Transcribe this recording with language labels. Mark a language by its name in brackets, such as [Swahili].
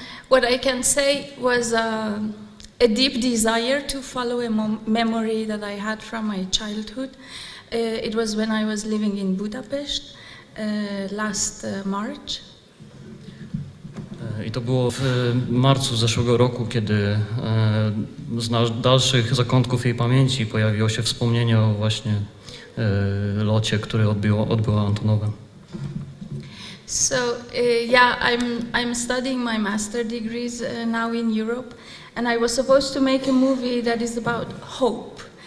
[English] What I can say was a deep desire to follow a memory that I had from my childhood. It was when I was living in Budapest last March. [Polish] I to było w marcu zeszłego roku, kiedy z dalszych zakątków jej pamięci pojawiło się wspomnienie o właśnie locie, który odbyła Antonowa. [English] So yeah, I'm studying my master degrees now in Europe and I was supposed to make a movie that is about hope.